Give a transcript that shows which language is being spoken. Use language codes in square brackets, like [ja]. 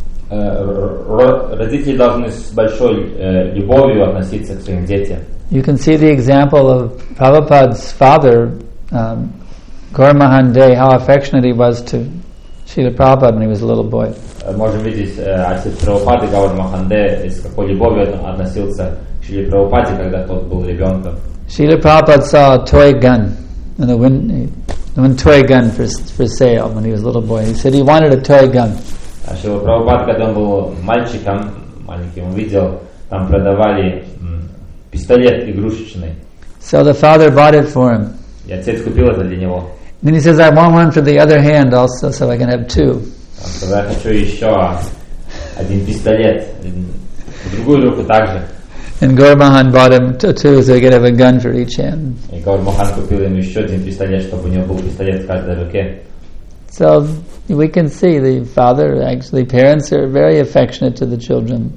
[ru] Родители должны с большой любовью относиться к своим детям. [en] You can see the example of Prabhupada's father, Gauramahan Day, how affectionate he was to Srila Prabhupada when he was a little boy. [ru] Можем видеть, отец Прабхупады Гаурамахан Де с какой любовью относился к Шриле Прабхупаде, когда тот был ребенком. [en] Srila Prabhupada saw a toy gun for sale when he was a little boy. He said he wanted a toy gun. [ru] Шрила Прабхупада, когда он был мальчиком, маленьким, увидел, там продавали пистолет игрушечный. [en] So the father bought it for him. [ru] И отец купил это для него. [en] Then he says, "I want one for the other hand also, so I can have two." So I want to [ru] еще один пистолет, другую руку также. [en] And Gauramahan bought him two, so he could have a gun for each hand. [ru] И Гаурамахан купил ему еще один пистолет, чтобы у него был пистолет в каждой руке. [en] So we can see the father, actually, parents are very affectionate to the children.